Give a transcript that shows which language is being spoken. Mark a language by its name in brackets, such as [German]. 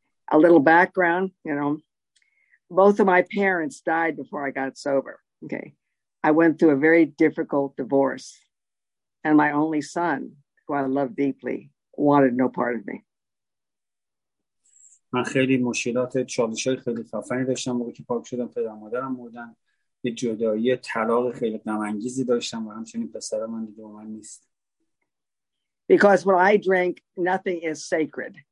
[English] A little background, you know. Both of my parents died before I got sober. Okay. I went through a very difficult divorce. And my only son, who I love deeply, wanted no part of me. [Persian] من خیلی مشکلات چالش‌های خیلی خفنی داشتم موقعی که پاک شدم. پدر مادرم مردن. یه جدایی طلاق خیلی غم‌انگیزی داشتم و همچنین پسر من دیگه با من نیست. [English] Because when I drink, nothing is sacred.